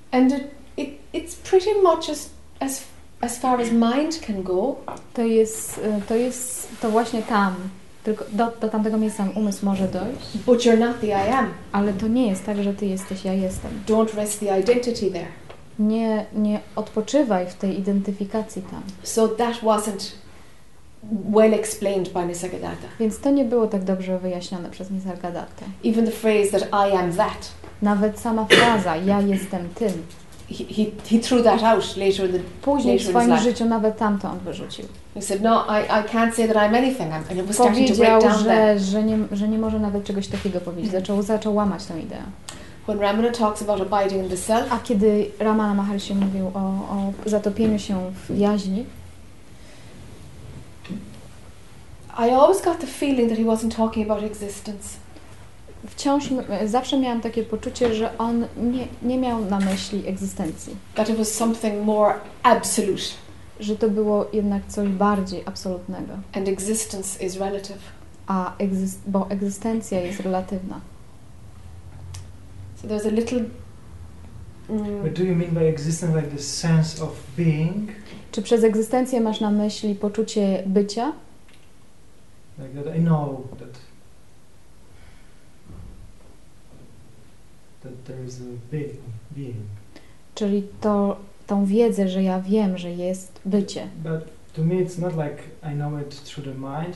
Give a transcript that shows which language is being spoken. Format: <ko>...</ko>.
<en>And it's pretty much as far as mind can go,</en> <pl>to jest właśnie tam, tylko do tamtego miejsca umysł może dojść.</pl> <en>But you're not the I am.</en> <pl>Ale to nie jest tak, że ty jesteś ja jestem.</pl> <en>Don't rest the identity there.</en> <pl>Nie odpoczywaj w tej identyfikacji tam.</pl> <en>So that wasn't well explained by Nisargadatta.</en> <pl>Więc to nie było tak dobrze wyjaśnione przez Nisargadatta.</pl> <en>Even the phrase that I am that.</en> <pl>Nawet sama fraza ja jestem tym.</pl> <en>He threw that out later in the</en> <pl>później</pl> <en>later</en> <pl>w swoim</pl> <en>in his</en> <pl>życiu</pl> <en>life.</en> <pl>Nawet tamto on wyrzucił.</pl> <en>He said, no, I can't say that I'm anything. I'm, and it was starting to break down</en> <pl>że, there. Że nie może nawet czegoś takiego powiedzieć. Zaczął łamać tę ideę.</pl> <en>When Ramana talks about abiding in the self,</en> <pl>a kiedy Ramana Maharshi mówił o zatopieniu się w jaźni,</pl> <en>I always got the feeling that he wasn't talking about existence.</en> <pl>Zawsze miałam takie poczucie, że on nie miał na myśli egzystencji.</pl> <en>That it was something more absolute.</en> <pl>Że to było jednak coś bardziej absolutnego.</pl> <en>And existence is relative.</en> <pl>Bo egzystencja jest relatywna.</pl> <en>So there's a little. But do you mean by existence like the sense of being?</en> <pl>Czy przez egzystencję masz na myśli poczucie bycia?</pl> <en>Like that I know that. That there is a being.</en> <pl>Czyli to tą wiedzę, że ja wiem, że jest bycie.</pl> <en>But to me it's not like I know it through the mind.</en>